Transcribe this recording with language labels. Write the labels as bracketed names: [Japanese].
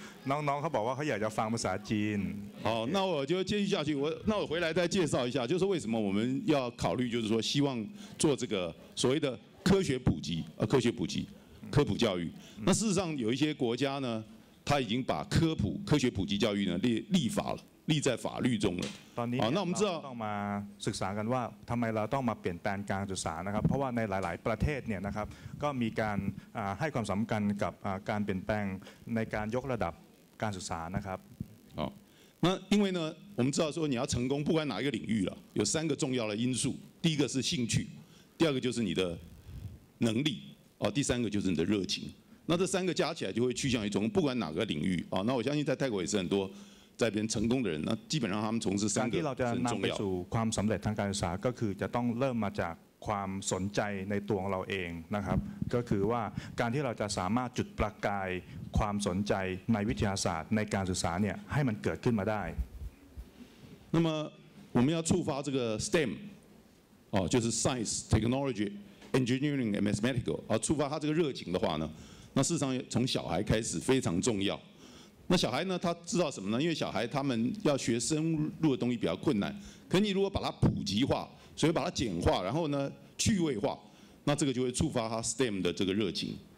[Thai] น้องๆเขาบอกว่าเขาอยากจะฟังภาษาจีน [Chinese] 好那我就继续下去我那我回来再介绍一下就是为什么我们要考虑就是说希望做这个所谓的科学普及科学普及科普教育那事实上有一些国家呢他已经把科普科学普及教育呢 立法了立在法律中了 [Thai] ตอนนี้ [Chinese] 那我们知道 [Thai] ต้องมาศึกษากันว่าทำไมเราต้องมาเปลี่ยนแปลงการศึกษานะครับเพราะว่าในหลายๆประเทศเนี่ยนะครับก็มีการให้ความสำคัญกับการเปลี่ยนแปลงในการยกระดับการศึกษานะครับ [Chinese] 好那因为呢我们知道说你要成功不管哪一个领域了有三个重要的因素第一个是兴趣第二个就是你的能力第三个就是你的热情那这三个加起来就会趋向于从不管哪个领域那我相信在泰国也是很多在边成功的人那基本上他们从事三个很重要。 [Thai] การที่เราจะนำไปสู่ความสำเร็จทางการศึกษาก็คือจะต้องเริ่มมาจากความสนใจในตัวของเราเองนะครับก็คือว่าการที่เราจะสามารถจุดประกายความสนใจในวิทยาศาสตร์ในการศึกษาเนี่ยให้มันเกิดขึ้นมาได้ [Chinese] 那么我们要触发这个 STEM 就是 Science Technology Engineering and Mathematical 触发他这个热情的话呢那事实上从小孩开始非常重要那小孩呢他知道什么呢因为小孩他们要学深入的东西比较困难可你如果把它普及化所以把它简化然后呢趣味化那这个就会触发他 STEM 的这个热情